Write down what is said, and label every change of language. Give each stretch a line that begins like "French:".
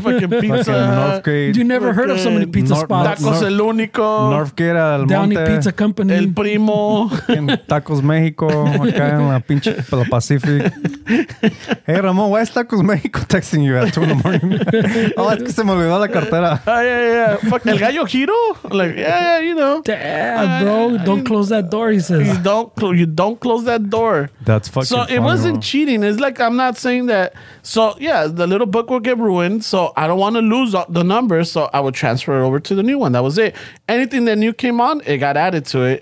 English: Fucking Northgate. You never heard of so many pizza spots. Tacos El Único. Northgate Al Monte. Downey Pizza Company. El Primo.
Spanish: Tacos Mexico. Acá en la pinche la Pacific.
English: Hey Ramon, why is Tacos Mexico texting you at 2 in the morning?
Spanish: Oh, es que se me olvidó la cartera.
English: Fuck, el gallo giro? Like, yeah, you know. Damn, bro, don't close that door, he says. You don't close that door. That's fucking so funny, it wasn't bro. Cheating. It's like, I'm not saying that. So, yeah, the little book will get ruined. So, I don't want to lose the number. So, I would transfer it over to the new one. That was it. Anything that new came on, it got added to it.